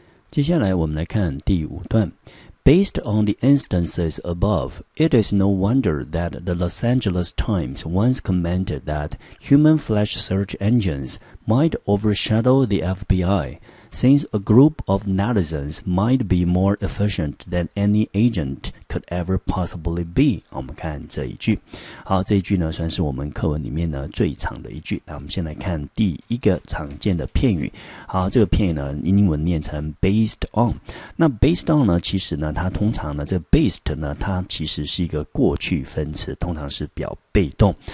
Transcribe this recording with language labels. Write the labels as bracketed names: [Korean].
[Chinese] 接下来我们来看第五段。 [English] Based on the instances above, it is no wonder that the Los Angeles Times once commented that human flesh search engines might overshadow the FBI, since a group of netizens might be more efficient than any agent could ever possibly be. [Chinese] 我们看这一句。好，这一句呢算是我们课文里面呢最长的一句。那我们先来看第一个常见的片语。好，这个片语呢英文念成 based on。那 based on 呢其实呢它通常呢这个 based 呢它其实是一个过去分词，通常是表被动。